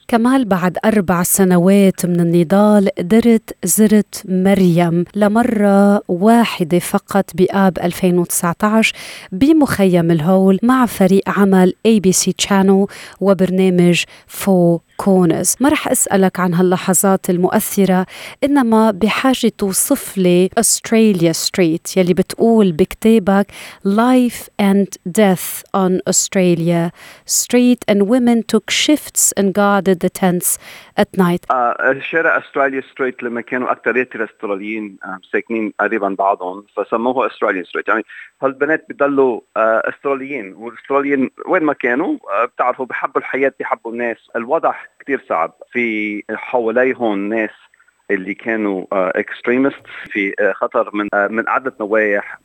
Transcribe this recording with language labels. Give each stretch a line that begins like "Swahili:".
Arabic: كمال، بعد 4 سنوات من النضال قدرت زرت مريم لمرة واحدة فقط بآب 2019 بمخيم الهول مع فريق عمل ABC Channel وبرنامج فو كونز. ما رح أسألك عن هاللحظات المؤثرة، إنما بحاجة توصف لي أستراليا ستريت يلي بتقول بكتابك
English: Life and Death on Australia Street and Women Took Shifts and Guarded the Tents at Night.
Arabic: شارع أستراليا ستريت لما كانوا أكترية الأستراليين ساكنين قريبا بعضهم فسموه أستراليا ستريت، يعني هالبنات بيضلوا أستراليين، والأستراليين وين ما كانوا بتعرفوا بحبوا الحياة، بحبوا الناس. الوضع كتير صعب، في حواليهم ناس اللي كانوا اكستريمست، في خطر من عدة نواح.